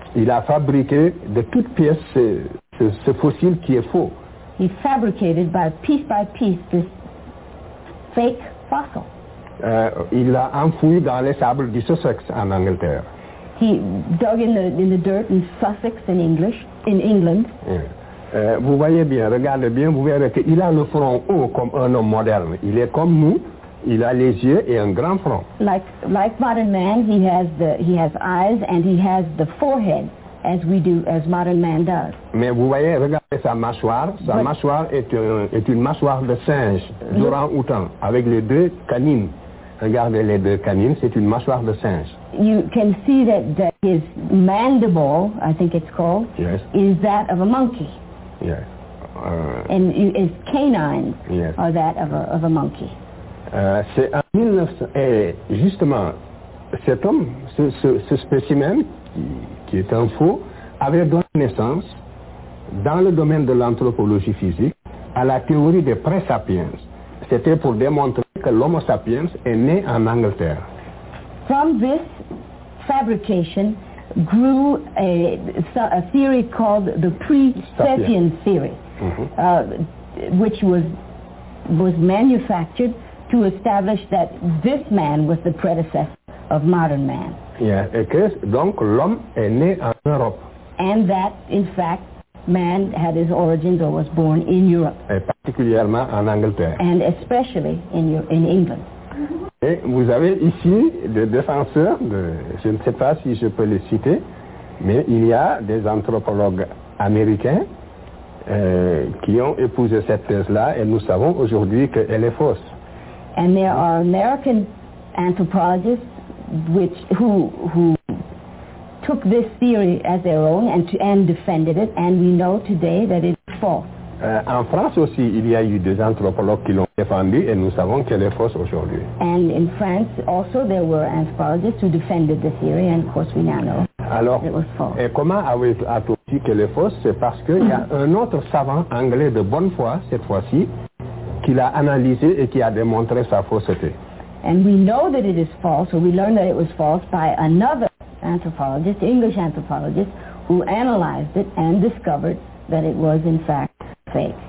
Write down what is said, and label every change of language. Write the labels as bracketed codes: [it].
[fr] Il a fabriqué de toutes pièces ce fossile qui est faux. [en] He fabricated piece by piece this fake fossil. [fr] Il l'a enfoui dans les sables du Sussex en Angleterre. [en] He dug in the dirt in Sussex in England. Yeah. [fr] Vous voyez bien, regardez bien, vous verrez qu'il a le front haut comme un homme moderne. Il est comme nous, il a les yeux et un grand front. [en] Like modern man, he has eyes and he has the forehead as we do, as modern man does. [fr] Mais vous voyez, regardez sa mâchoire. Sa mâchoire est une mâchoire de singe, d'orang-outan, avec les deux canines. Regardez les deux canines, c'est une mâchoire de singe. [en] You can see that his mandible, I think it's called, yes, is that of a monkey. Yes. And is canines are that of a monkey? [fr] C'est en 1900, justement, cet homme, ce spécimen, qui est un faux, avait donné naissance dans le domaine de l'anthropologie physique à la théorie des pré-sapiens. C'était pour démontrer que l'homo sapiens est né en Angleterre. [en] From this fabrication grew a theory called the pre-sapiens theory, which was manufactured to establish that this man was the predecessor of modern man. [fr] Yeah, donc l'homme est né en Europe. [en] And that, in fact, man had his origins or was born in Europe. [fr] Et particulièrement en Angleterre. [en] And especially in England. [fr] Et vous avez ici des défenseurs, je ne sais pas si je peux les citer, mais il y a des anthropologues américains qui ont épousé cette thèse-là et nous savons aujourd'hui qu'elle est fausse. [en] And there are American anthropologists who took this theory as their own and defended it, and we know today that it is false. [fr] En France aussi, il y a eu des anthropologues qui l'ont défendu et nous savons qu'elle est fausse aujourd'hui. [en] And in France also there were anthropologists who defended the theory, and of course we now know [fr] alors, [en] it was false. [fr] Et comment a-t-on dit qu'elle est fausse? C'est parce qu'il y a un autre savant anglais de bonne foi, cette fois-ci, qui l'a analysé et qui a démontré sa fausseté. [en] And we know that it is false, or we learned that it was false by another anthropologist, English anthropologist, who analyzed it and discovered that it was in fact fake.